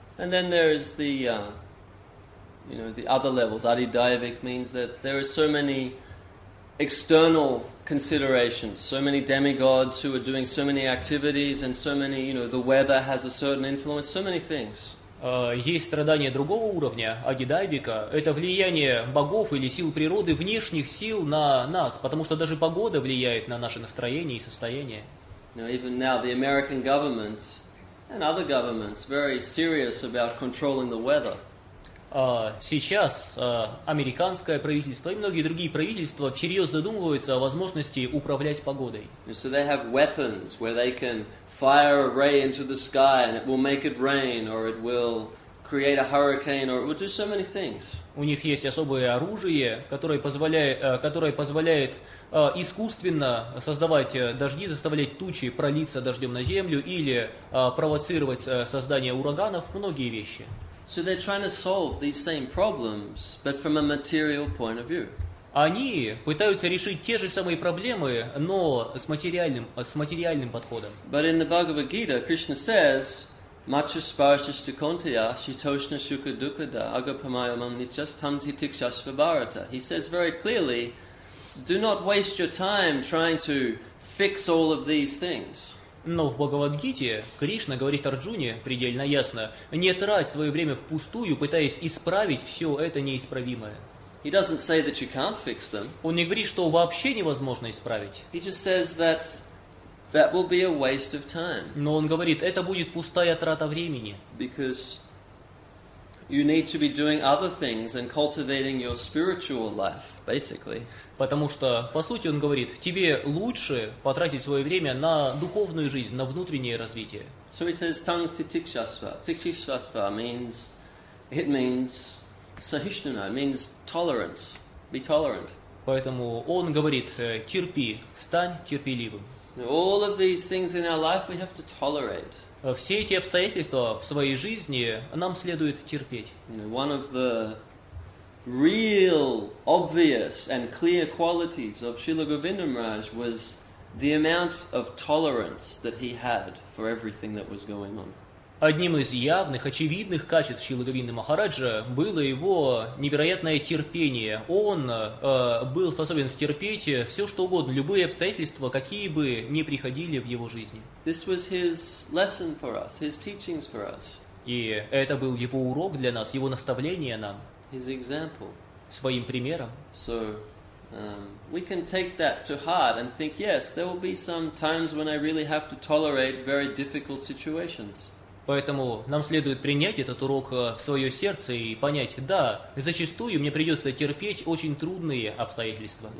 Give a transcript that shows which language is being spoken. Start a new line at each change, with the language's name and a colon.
English: And then there is the, you know, the other levels. Adidaivik means that there are so many external considerations, so many demigods who are doing so many activities, and so many, you know, the weather has a certain influence, so many things.
Russian: Есть страдания другого уровня, адидайвика. Это влияние богов или сил природы, внешних сил на нас, потому что даже погода влияет на наше настроение и состояние.
English: Now, even now, the American government and other governments are very serious about controlling the weather.
Russian: Сейчас американское правительство и многие другие правительства всерьез задумываются о возможности управлять погодой.
English: And so they have weapons where they can fire a ray into the sky and it will make it rain or it will create a hurricane or it will do so many things.
Russian: У них есть особое оружие, которое позволяет искусственно создавать дожди, заставлять тучи пролиться дождем на землю или провоцировать создание ураганов, многие вещи.
English: So they're trying to solve these same problems, but from a material point of view.
Russian: Они пытаются решить те же самые проблемы, но с материальным подходом.
English: But in the Bhagavad Gita, Krishna says,
Sanskrit: "Matcha sparshastu kontiya, shitoshna shukha dukada, agapamaya mamnichas tamti tikshasva bharata."
English: He says very clearly, do not waste your time trying to fix all of these things.
Russian: Но в Бхагавадгите Кришна говорит Арджуне предельно ясно, не трать свое время впустую, пытаясь исправить все это неисправимое.
English: He doesn't say that you can't fix them.
Russian: Он не говорит, что вообще невозможно исправить.
English: He just says that that will be a waste of time.
Russian: Но он говорит, это будет пустая трата времени.
English: Because you need to be doing other things and cultivating your spiritual life, basically.
Russian: Потому что, по сути, он говорит, тебе лучше потратить свое время на духовную жизнь, на внутреннее развитие.
English: So he says, tangs ti tikshasva. Tikshasva means, it means sahishnuna, it means tolerance, be tolerant.
Russian: Поэтому он говорит, терпи, стань терпеливым.
English: All of these things in our life we have to tolerate.
Russian: Все эти обстоятельства в своей жизни нам следует терпеть.
English: One of the real, obvious and clear qualities of Srila Govinda Maharaj was the amount of tolerance that he had for everything that was going on.
Russian: Одним из явных, очевидных качеств Шрилы Говинды Махараджа было его невероятное терпение. Он был способен стерпеть все, что угодно, любые обстоятельства, какие бы ни приходили в его жизни.
English: This was his lesson for us, his teachings for us.
Russian: И это был его урок для нас, его наставление нам.
English: His example.
Russian: Своим примером.
English: So, we can take that to heart and think, yes, there will be some times when I really have to tolerate very difficult situations.
Russian: Поэтому нам следует принять этот урок в свое сердце и понять, да, зачастую мне придется терпеть очень трудные обстоятельства.